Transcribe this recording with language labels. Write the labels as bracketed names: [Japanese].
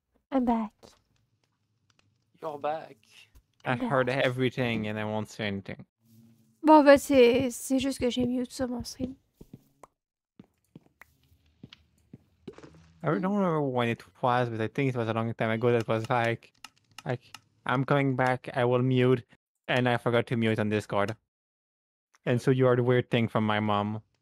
[English] I'm back. You're back. I heard everything and I won't say anything. [French] Bon, ben, c'est juste que j'ai mute sur mon stream. [English] I don't remember when it was, but I think it was a long time ago that was like, I'm coming back, I will mute, and I forgot to mute on Discord. And so you are the weird thing from my mom.